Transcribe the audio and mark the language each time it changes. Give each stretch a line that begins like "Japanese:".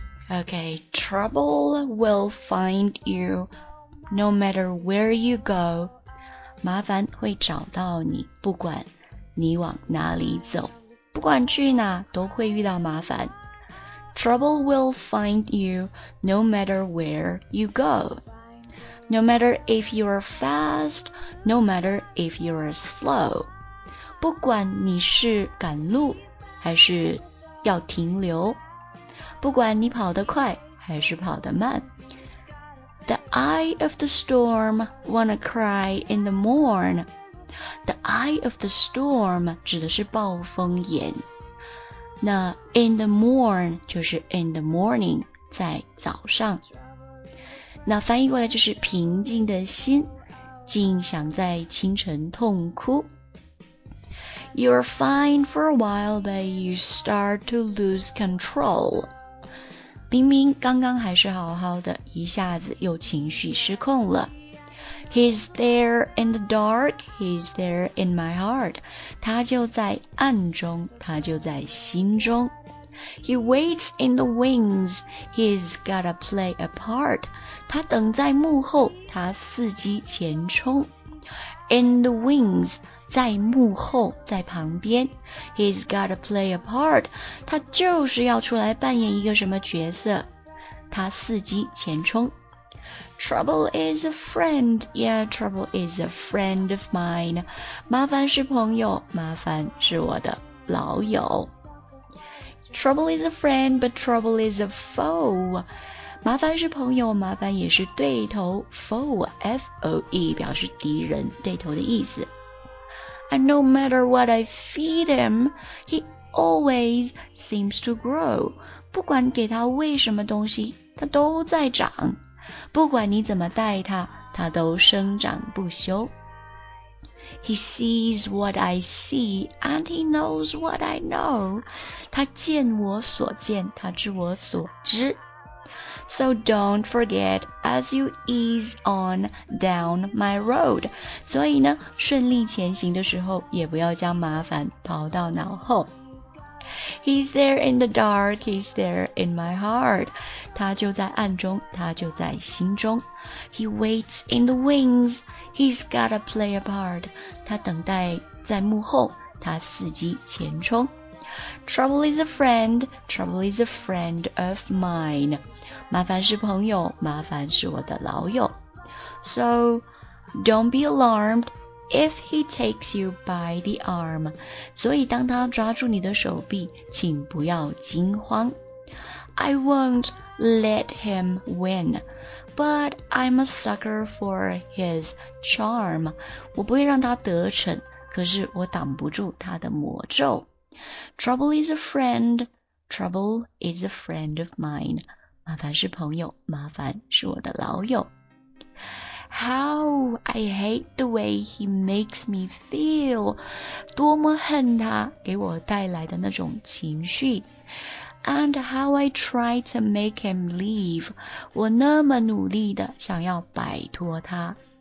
English: Okay, trouble will find you no matter where you go.
Chinese: 麻烦会找到你，不管你往哪里走，不管去哪都会遇到麻烦。
English: Trouble will find you no matter where you go. No matter if you are fast, no matter if you are slow.
Chinese: 不管你是赶路还是要停留，不管你跑得快还是跑得慢。
English: The eye of the storm wanna cry in the morn. The eye of the storm
Chinese: 指的是暴风眼，那
English: in the morn
Chinese: 就是
English: in the morning，
Chinese: 在早上。那翻译过来就是平静的心竟想在清晨痛哭。
English: You're fine for a while but you start to lose control.
Chinese: 明明刚刚还是好好的，一下子又情绪失控了。
English: He's there in the dark, he's there in my heart.
Chinese: 他就在暗中，他就在心中。
English: He waits in the wings, he's gotta play a part.
Chinese: 他等在幕后，他伺机前冲。
English: In the wings,
Chinese: 在幕后，在旁边。
English: He's gotta play a part.
Chinese: 他就是要出来扮演一个什么角色。他伺机前冲。
English: Trouble is a friend. Yeah, trouble is a friend of mine.
Chinese: 麻烦是朋友，麻烦是我的老友。
English: Trouble is a friend, but trouble is a foe.
Chinese: 麻烦是朋友，麻烦也是对头 ，foe f o e 表示敌人、对头的意思。
English: And no matter what I feed him, he always seems to grow.
Chinese: 不管给他喂什么东西，他都在长。不管你怎么带他，他都生长不休。
English: He sees what I see, and he knows what I know.
Chinese: 他见我所见，他知我所知。
English: So don't forget as you ease on down my road.
Chinese: 所以呢，顺利前行的时候，也不要将麻烦抛到脑后。
English: He's there in the dark, he's there in my heart.
Chinese: 他就在暗中，他就在心中。
English: He waits in the wings, he's gotta play a part.
Chinese: 他等待在幕后，他伺机前冲。
English: Trouble is a friend, trouble is a friend of mine.
Chinese: 麻烦是朋友，麻烦是我的老友。
English: So, don't be alarmed. If he takes you by the arm,
Chinese: 所以当他抓住你的手臂，请不要惊慌。
English: I won't let him win, but I'm a sucker for his charm.
Chinese: 我不会让他得逞，可是我挡不住他的魔咒。
English: Trouble is a friend, trouble is a friend of mine.
Chinese: 麻烦是朋友，麻烦是我的老友。
English: How I hate the way he makes me feel.
Chinese: 多么恨他给我带来的那种情绪。
English: And how I try to make him leave.
Chinese: 我那么努力的想要摆脱他。